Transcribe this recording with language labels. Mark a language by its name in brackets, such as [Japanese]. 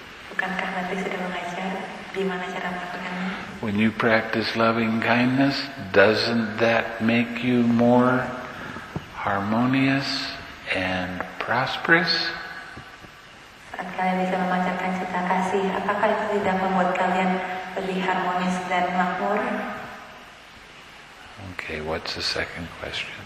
[Indonesian] Bukankah nanti sudah mengajar di mana cara melakukannya? [English] When you practice loving kindness, doesn't that make you more harmonious and prosperous? [Indonesian] Saat kalian bisa memancarkan cinta kasih, apakah itu tidak membuat kalian lebih harmonis dan makmur. [English] Okay, what's the second question?